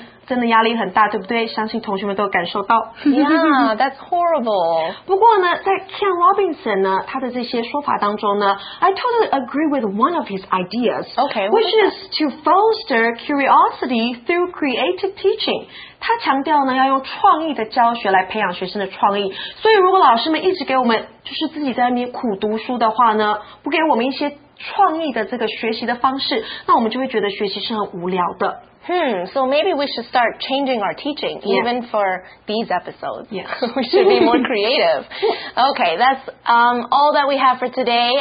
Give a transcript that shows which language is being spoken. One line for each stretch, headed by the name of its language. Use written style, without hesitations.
Chinese: 真的压力很大，对不对？相信同学们都感受到。
English: Yeah, that's horrible.
Chinese: 不过呢，在 Ken Robinson 呢，他的这些说法当中呢 ，
English: I totally agree with one of his ideas. Okay, which is to foster curiosity through creative teaching.
Chinese: 他强调呢，要用创意的教学来培养学生的创意。所以，如果老师们一直给我们就是自己在那边苦读书的话呢，不给我们一些创意的这个学习的方式，那我们就会觉得学习是很无聊的。
English: So maybe we should start changing our teaching, yeah. even for these episodes. Yeah. We should be more creative. Okay, that's all that we have for today.